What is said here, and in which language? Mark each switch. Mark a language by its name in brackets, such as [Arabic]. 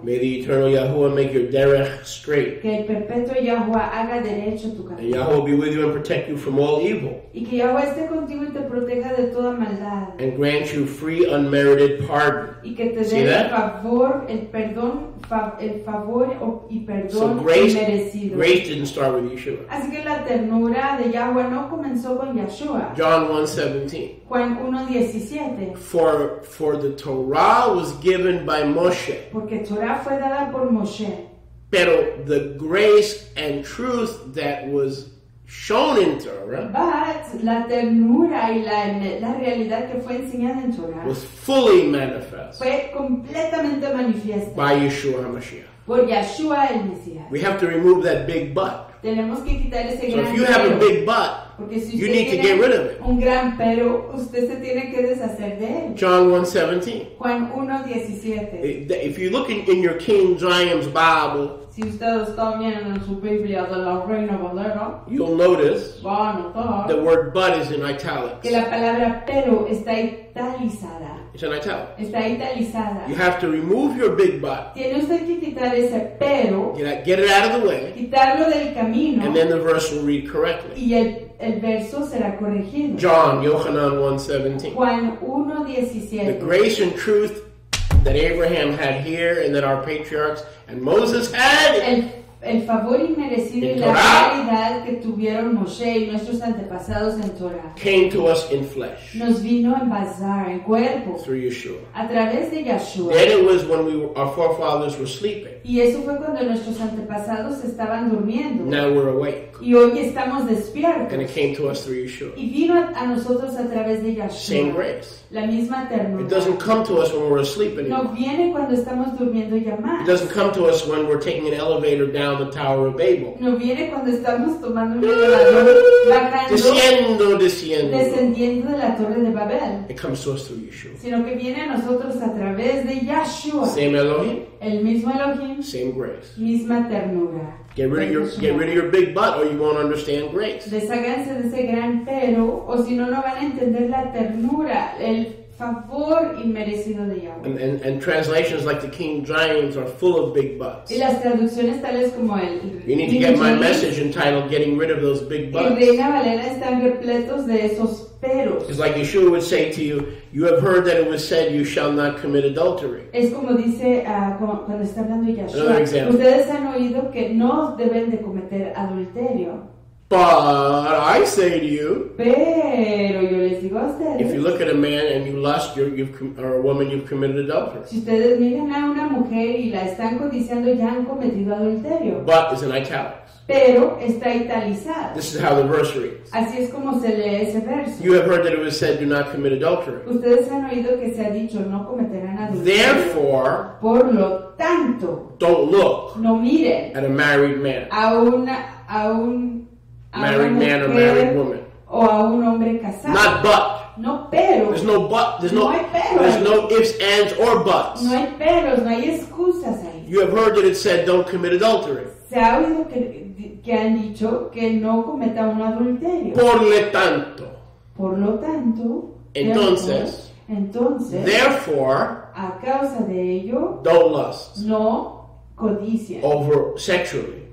[English] May the eternal Yahuwah make your derech straight. [Spanish] Que el perpetuo Yahuwah haga derecho tu camino. [English] And Yahuwah be with you and protect you from all evil. [Spanish] Y que Yahuwah esté contigo y te proteja de toda maldad. [English] And grant you free unmerited pardon. [Spanish] Y que te dé el favor, el perdón, el favor y perdón. [English] So grace, [Spanish] merecido. [English] Grace didn't start with Yeshua. [Spanish] Así que la ternura de Yahuwah no comenzó con Yeshua. [English] John 1:17. [Spanish] Juan 1:17. [English] For the Torah was given by Moshe. [Spanish] Porque Torah fue dada por Moshe. Pero [English] the grace and truth that was shown in Torah. But [Spanish] la ternura y la realidad que fue enseñada en Torah. [English] Was fully manifest. [Spanish] Fue completamente manifiesta. [English] By Yeshua HaMashiach. [Spanish] Por Yeshua el Mesías. [English] We have to remove that big but. [Spanish] Tenemos que quitar ese [English] so [Spanish] gran [English] if you have [Spanish] pero, [English] a big butt, [Spanish] si [English] you need to get rid of it. [Spanish] Un gran pero, usted se tiene que deshacer de él. [English] John 1:17. [Spanish] Juan 1:17. [English] If you look in your King James Bible, [Spanish] si usted está mirando en su Biblia de la Reina Valera, [English] you'll notice [Spanish] va a notar [English] the word butt is in italics. [Spanish] Que la palabra pero está italizada. [English] It's in italics. [Spanish] Está italizada. [English] You have to remove your big butt. [Spanish] Tiene usted que quitar ese pero. [English] Get it out of the way. [Spanish] Quitarlo del camino. [English] And then the verse will read correctly. [Spanish] Y el verso será corregido. [English] John 1:17. [Spanish] Juan 1:17. [English] The grace and truth that Abraham had here and that our patriarchs and Moses had. [Spanish] El favor inmerecido y la realidad que tuvieron Moshe y nuestros antepasados en Torah. [English] Came to us in flesh. [Spanish] Nos vino en bazar, en cuerpo. [English] Through Yeshua. [Spanish] A través de Yeshua. [English] Then it was when our forefathers were sleeping. [Spanish] Y eso fue cuando nuestros antepasados estaban durmiendo. [English] Now we're awake. [Spanish] Y hoy estamos despiertos. [English] And it came to us through Yeshua. [Spanish] Y vino a nosotros a través de Yeshua. [English] Same grace. [Spanish] La misma ternura. [English] It doesn't come to us when we're asleep anymore. [Spanish] No viene cuando estamos durmiendo ya más. [English] It doesn't come to us when we're taking an elevator down the Tower of Babel. [Spanish] No viene cuando estamos tomando un elevador bajando. Desciendo. Descendiendo de la Torre de Babel. [English] It comes to us through Yeshua. [Spanish] Sino que viene a nosotros a través de Yeshua. [English] Same Elohim. [Spanish] El mismo Elohim. [English] Same grace. [Spanish] Misma ternura. [English] Get rid of your big butt or you won't understand grace. [Spanish] Deshaganse de ese gran pero o si no, no van a entender la ternura, el favor inmerecido de Yahweh. [English] And translations like the King James are full of big butts. [Spanish] Y las traducciones tales como el [English] you need to get my message entitled Getting Rid of Those Big Butts. [Spanish] El Reina Valera están repletos de esos. [English] It's like Yeshua would say to you, you have heard that it was said you shall not commit adultery. [Spanish] Es como dice cuando está hablando Yeshua. [English] Another example. [Spanish] Ustedes han oído que no deben de cometer adulterio. [English] But I say to you, [Spanish] pero yo les digo a ustedes, [English] if you look at a man and you lust, or a woman, you've committed adultery. [Spanish] Si ustedes miran a una mujer y la están codiciando, ya han cometido adulterio. [English] But is in italics. [Spanish] Pero está italizado. [English] This is how the verse reads. [Spanish] Así es como se lee ese verso. [English] You have heard that it was said, do not commit adultery. [Spanish] Ustedes han oído que se ha dicho, no cometerán adulterio. [English] Therefore, [Spanish] por lo tanto, [English] don't look, [Spanish] no mire, [English] at a married man. [Spanish] A un [English] married man or married woman. [Spanish] o a un hombre casado. [English] Not but. [Spanish] No pero. [English] There's no but. There's no. [Spanish] No hay pero. [English] There's no ifs, ands, or buts. [Spanish] No hay peros. No hay excusas ahí. [English] You have heard that it said, "Don't commit adultery." [Spanish] Se ha oído que han dicho que no cometa un adulterio. Por lo tanto. Por lo tanto. Entonces. Entonces. [English] Therefore. [Spanish] A causa de ello. [English] Don't lust. [Spanish] No codicia. [English] Over sexually.